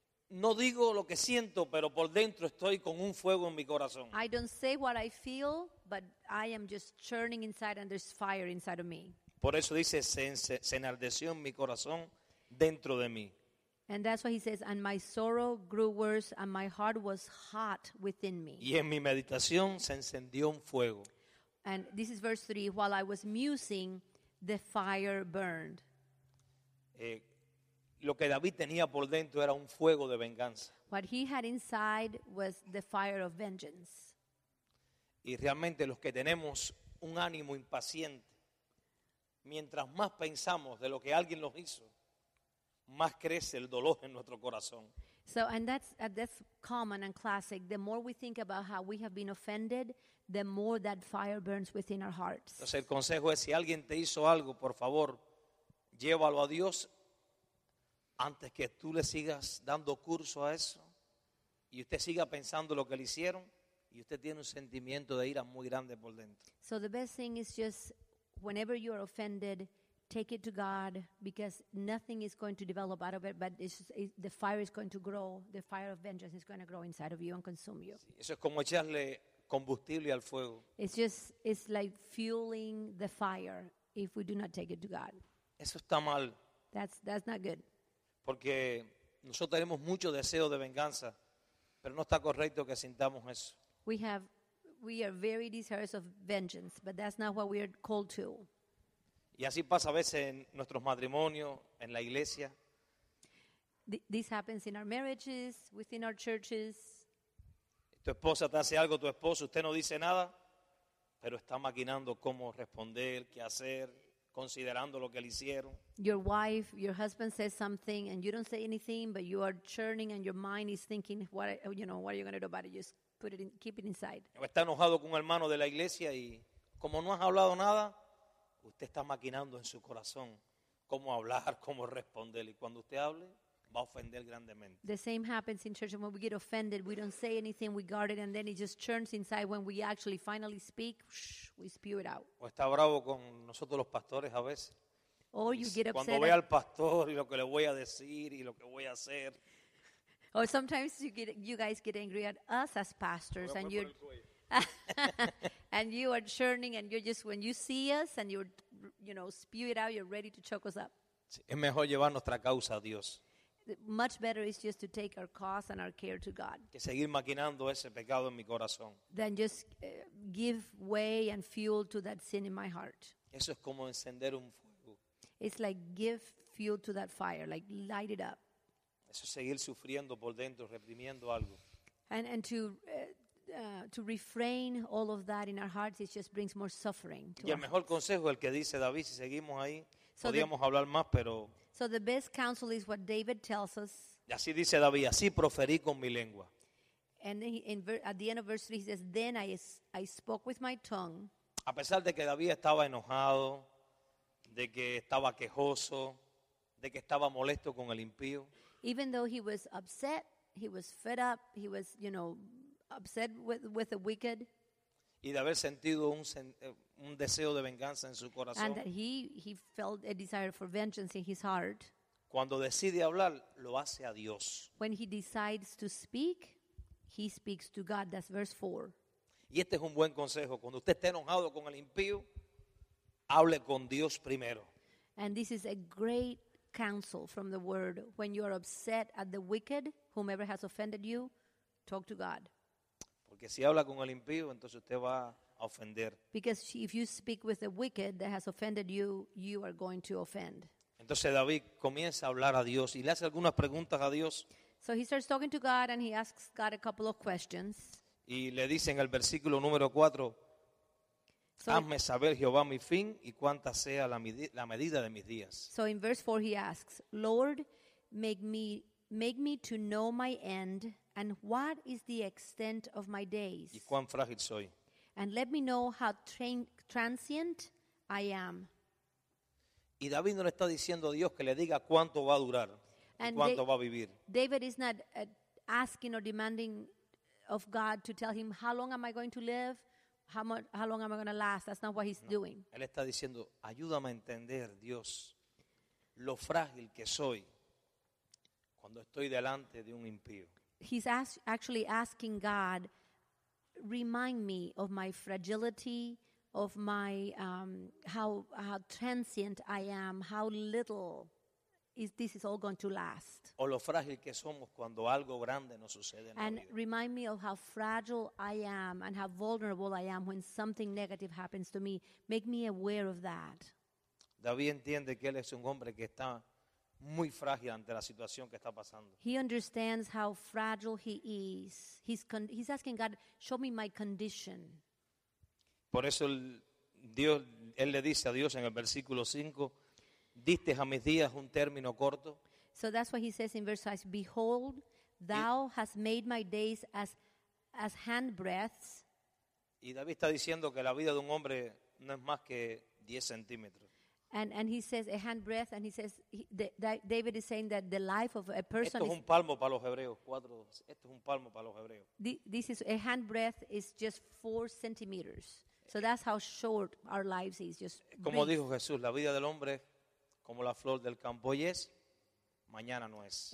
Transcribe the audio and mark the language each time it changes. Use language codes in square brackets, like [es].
[es] No digo lo que siento, pero por dentro estoy con un fuego en mi corazón. [en] I don't say what I feel, but I am just churning inside and there's fire inside of me. [es] Por eso dice, se enardeció en mi corazón dentro de mí. [en] And that's why he says, and my sorrow grew worse and my heart was hot within me. [es] Y en mi meditación se encendió un fuego. [en] And this is verse 3, while I was musing, the fire burned. [es] Lo que David tenía por dentro era un fuego de venganza. [en] What he had inside was the fire of vengeance. [es] Y realmente los que tenemos un ánimo impaciente, mientras más pensamos de lo que alguien nos hizo, más crece el dolor en nuestro corazón. [en] So, and that's common and classic. The more we think about how we have been offended, the more that fire burns within our hearts. [es] Entonces el consejo es, si alguien te hizo algo, por favor, llévalo a Dios antes que tú le sigas dando curso a eso y usted siga pensando lo que le hicieron y usted tiene un sentimiento de ira muy grande por dentro. [en] So the best thing is just, whenever you are offended, take it to God, because nothing is going to develop out of it, but the fire is going to grow. The fire of vengeance is going to grow inside of you and consume you. [es] Sí, eso es como echarle combustible al fuego. [en] It's like fueling the fire if we do not take it to God. [es] Eso está mal. [en] That's not good. [es] Porque nosotros tenemos mucho deseo de venganza, pero no está correcto que sintamos eso. [en] We are very desirous of vengeance, but that's not what we are called to. [es] Y así pasa a veces en nuestros matrimonios, en la iglesia. [en] This happens in our marriages, within our churches. [es] Tu esposa te hace algo, tu esposo, usted no dice nada, pero está maquinando cómo responder, qué hacer, considerando lo que le hicieron. [en] Your wife, your husband says something and you don't say anything, but you are churning and your mind is thinking, what are you going to do about it? Just put it in, keep it inside. [es] Está enojado con un hermano de la iglesia y como no has hablado nada, usted está maquinando en su corazón cómo hablar, cómo responder y cuando usted hable va a ofender grandemente. [en] The same happens in church, and when we get offended, we don't say anything, we guard it, and then it just churns inside. When we actually finally speak, we spew it out. [es] O está bravo con nosotros los pastores a veces. [en] Or you get upset. [es] Cuando ve al pastor y lo que le voy a decir y lo que voy a hacer. [en] Or sometimes you guys get angry at us as pastors, and you're and you are churning, and you're just, when you see us and you're, you know, spew it out, you're ready to choke us up. [es] Es mejor llevar nuestra causa a Dios. [en] Much better is just to take our cause and our care to God. [es] Que seguir maquinando ese pecado en mi corazón. [en] Then just give way and fuel to that sin in my heart. [es] Eso es como encender un fuego. [en] It's like give fuel to that fire, like light it up. [es] Eso es seguir sufriendo por dentro, reprimiendo algo. [en] And to refrain all of that in our hearts, it just brings more suffering. [es] Y el mejor consejo es el que dice David, si seguimos ahí, podríamos hablar más, pero... [en] So the best counsel is what David tells us. [es] Y así dice David, así proferí con mi lengua. [en] And then at the end of verse 3 he says, then I spoke with my tongue. [es] A pesar de que David estaba enojado, de que estaba quejoso, de que estaba molesto con el impío. [en] Even though he was upset, he was fed up, he was, you know, upset with the wicked. [es] Y de haber sentido un deseo de venganza en su corazón. [en] And that he felt a desire for vengeance in his heart. [es] Cuando decide hablar, lo hace a Dios. [en] When he decides to speak, he speaks to God. That's verse 4. [es] Y este es un buen consejo. Cuando usted esté enojado con el impío, hable con Dios primero. [en] And this is a great counsel from the word. When you are upset at the wicked, whomever has offended you, talk to God. [es] Porque si habla con el impío, entonces usted va a ofender. [en] Because if you speak with the wicked that has offended you, you are going to offend. [es] Entonces David comienza a hablar a Dios y le hace algunas preguntas a Dios. [en] So he starts talking to God and he asks God a couple of questions. [es] Y le dice en el versículo número 4, hazme saber, Jehová, mi fin y cuánta sea la medida de mis días. [en] So in verse 4 he asks, Lord, make me to know my end. And what is the extent of my days? [es] Y cuán frágil soy. [en] And let me know how transient I am. [es] Y David no le está diciendo a Dios que le diga cuánto va a durar, [en] and [es] cuánto va a vivir. [en] David is not asking or demanding of God to tell him how long am I going to live, how long am I going to last. That's not what he's doing. [es] Él está diciendo, ayúdame a entender, Dios, lo frágil que soy cuando estoy delante de un impío. [en] He's actually asking God, remind me of my fragility, of my how transient I am, how little this is all going to last. [es] O lo frágil que somos cuando algo grande nos sucede en [en] and [es] la vida. [en] Remind me of how fragile I am and how vulnerable I am when something negative happens to me. Make me aware of that. [es] David entiende que él es un hombre que está muy frágil ante la situación que está pasando. [en] He understands how fragile he is. He's asking God, show me my condition. [es] Por eso él le dice a Dios en el versículo 5, diste a mis días un término corto. [en] So that's what he says in verse 5, behold, thou hast made my days as handbreadths. [es] Y David está diciendo que la vida de un hombre no es más que 10 centímetros. [en] And he says a hand breath, and he says David is saying that the life of a person. [es] Esto es un palmo para los hebreos. Cuatro. Esto es un palmo para los hebreos. [en] This is a hand breath is just 4 centimeters. So that's how short our lives is. Just [es] como dijo Jesús, la vida del hombre como la flor del campo es mañana no es.